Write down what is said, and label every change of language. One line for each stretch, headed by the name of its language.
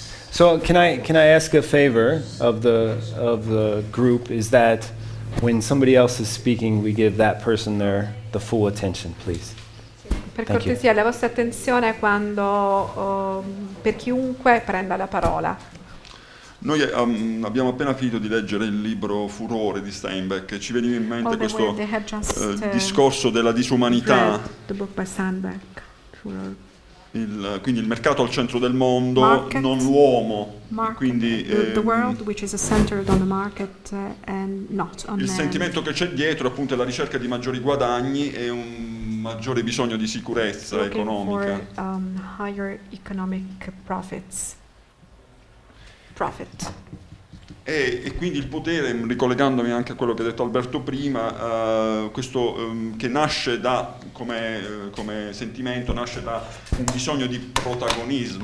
English: So can I ask a favor of the group, is that when somebody else is speaking we give that person the full attention, please.
Italian: Per cortesia, la vostra attenzione quando per chiunque prenda la parola. Noi abbiamo appena finito di leggere il libro Furore di Steinbeck e ci veniva in mente questo discorso della disumanità.
English: The book by Steinbeck, Furore.
Italian: Quindi il mercato al centro del mondo,
English: market,
Italian: non l'uomo.
English: The world which is centered on the market and not on
Italian: il sentimento
English: man.
Italian: Che c'è dietro, appunto, è la ricerca di maggiori guadagni e un maggiore bisogno di sicurezza economica.
English: For, higher economic profits. Profit.
Italian: E quindi il potere, ricollegandomi anche a quello che ha detto Alberto prima, questo che nasce da, come sentimento, nasce da un bisogno di protagonismo.